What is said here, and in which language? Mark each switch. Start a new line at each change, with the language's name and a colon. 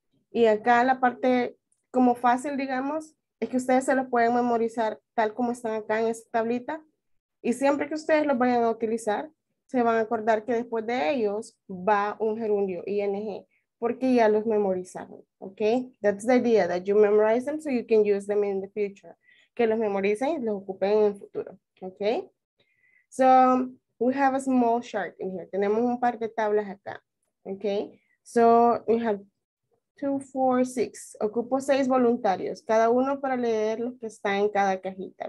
Spanish: Y acá la parte como fácil, digamos, es que ustedes se los pueden memorizar tal como están acá en esta tablita. Y siempre que ustedes los vayan a utilizar, se van a acordar que después de ellos va un gerundio, ing, porque ya los memorizaron, ¿ok?
English: That's the idea, that you memorize them so you can use them in the future.
Spanish: Que los memoricen y los ocupen en el futuro, ¿ok?
English: So, we have a small chart in here.
Spanish: Tenemos un par de tablas acá, ¿ok?
English: So, we have 2, 4, 6.
Spanish: Ocupo 6 voluntarios, cada uno para leer lo que está en cada cajita.